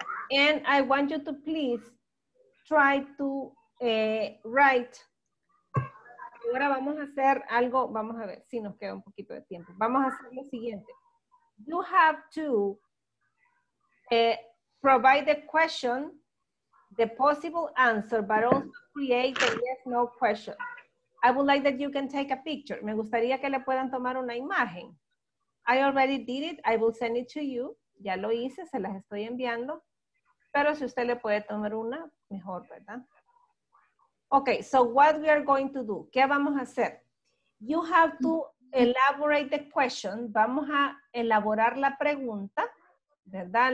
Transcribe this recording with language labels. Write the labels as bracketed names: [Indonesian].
[English] And I want you to please try to write. [Spanish] Ahora vamos a hacer algo, vamos a ver si nos queda un poquito de tiempo. Vamos a hacer lo siguiente. [English] You have to provide the question, the possible answer, but also create the yes, no question. I would like that you can take a picture. [Spanish] Me gustaría que le puedan tomar una imagen. [English] I already did it. I will send it to you. [Spanish] Ya lo hice, se las estoy enviando. Pero si usted le puede tomar una, mejor, ¿verdad? [English] Okay, so what we are going to do, [Spanish] ¿qué vamos a hacer? [English] You have to elaborate the question, [Spanish] vamos a elaborar la pregunta, ¿verdad?